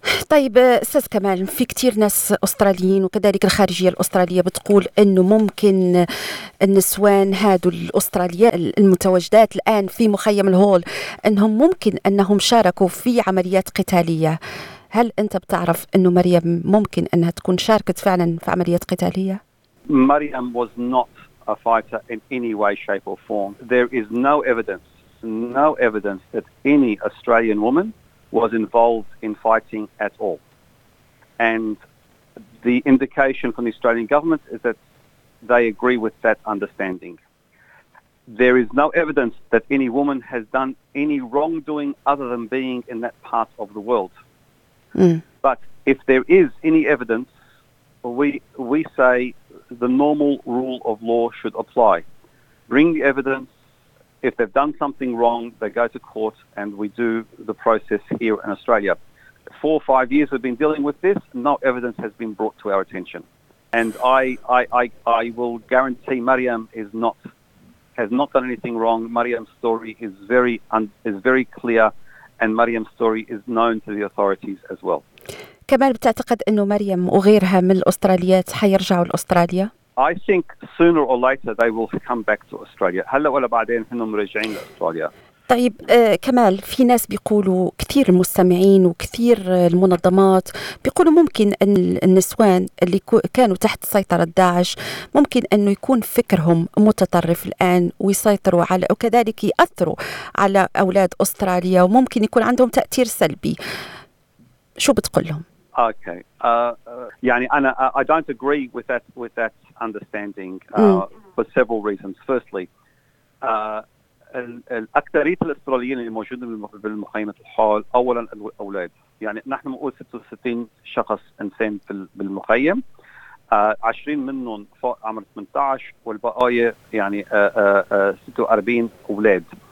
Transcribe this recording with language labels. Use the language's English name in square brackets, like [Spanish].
[Arabic] طيب استاذ كمال، في كتير ناس أستراليين وكذلك الخارجية الأسترالية بتقول انه ممكن النسوان هادو الأستراليات المتواجدات الان في مخيم الهول انهم ممكن انهم شاركوا في عمليات قتالية، هل انت بتعرف انه مريم ممكن انها تكون شاركت فعلا في عمليات قتالية؟ [English] مريم was not a fighter in any way shape or form. There is no evidence no evidence that any Australian woman was involved in fighting at all. And the indication from the Australian government is that they agree with that understanding. There is no evidence that any woman has done any wrongdoing other than being in that part of the world. But if there is any evidence, we say the normal rule of law should apply. Bring the evidence. If they've done something wrong, they go to court and we do the process here in Australia. 4 or 5 years we've been dealing with this, no evidence has been brought to our attention. And I will guarantee Mariam is not, has not done anything wrong. Mariam's story is very clear, and Mariam's story is known to the authorities as well. [Arabic] كمال بتعتقد أنه مريم وغيرها من الأستراليات حيرجعوا لأستراليا؟ [English] I think sooner or later they will come back to Australia. [Arabic] هلا ولا بعدين هنهم راجعين لأستراليا. طيب كمال، في ناس بيقولوا، كثير المستمعين وكثير المنظمات بيقولوا ممكن أن النسوان اللي كانوا تحت سيطرة داعش ممكن أنه يكون فكرهم متطرف الآن ويسيطروا على، وكذلك يأثروا على أولاد أستراليا وممكن يكون عندهم تأثير سلبي. شو بتقول لهم؟ [English] Okay. [Arabic] يعني أنا [English] I don't agree with that understanding for several reasons. [Arabic] Firstly, الأكثرية الأستراليين اللي موجودين بالمخيمة الحال أولا الأولاد. يعني نحن مقول 66 شخص إنسان بالمخيم، 20 منهم فوق عمر 18 والبقايا يعني 46 أولاد.